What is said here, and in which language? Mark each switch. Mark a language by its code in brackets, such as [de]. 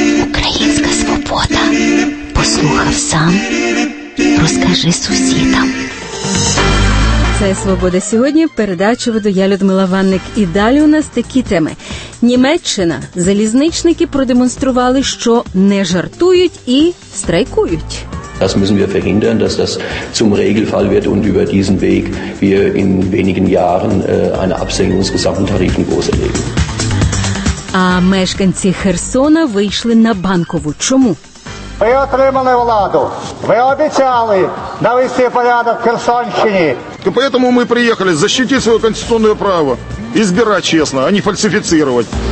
[uk] Українська свобода. Послухав сам, розкажи сусідам. Це «Свобода сьогодні», передача веду я, Людмила Ванник. І далі у нас такі теми. Німеччина. Залізничники продемонстрували, що не жартують і страйкують. [de] Das müssen wir verhindern, dass das zum Regelfall wird und über diesen Weg wir in wenigen Jahren eine Absenkung des gesamten Tarifniveaus erleben. [uk] А мешканці Херсона вийшли на Банкову. Чому? Ви отримали владу. Ви обіцяли навести порядок в Херсонщині. То поэтому ми приїхали защитити своє конституційне право і збирати чесно, а не фальсифіцировати.